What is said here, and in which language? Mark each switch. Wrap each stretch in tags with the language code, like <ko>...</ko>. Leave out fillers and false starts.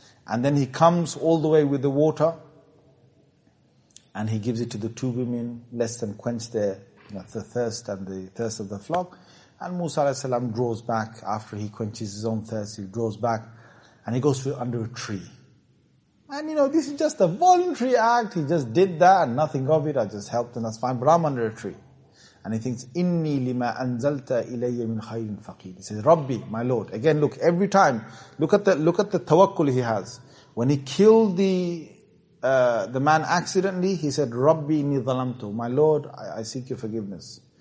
<en>And then he comes all the way with the water and he gives it to the two women, lets them quench their the thirst and the thirst of the flock. And Musa alayhi salam draws back after he quenches his own thirst, he draws back and he goes under a tree. And you know, this is just a voluntary act, he just did that and nothing of it, I just helped and that's fine, but I'm under a tree. And he thinks,</en> <ar>إِنِّي لِمَا أَنزَلْتَ إِلَيَّ مِنْ خَيْرٍ فَقِيرٍ.</ar> <en>He says, Rabbi, my Lord. Again, look, every time, look at the tawakkul he has. When he killed the man accidentally, he said, Rabbi,</en> <ar>إِنِّي ظَلَمْتُ.</ar> <en>My Lord, I seek your forgiveness.</en>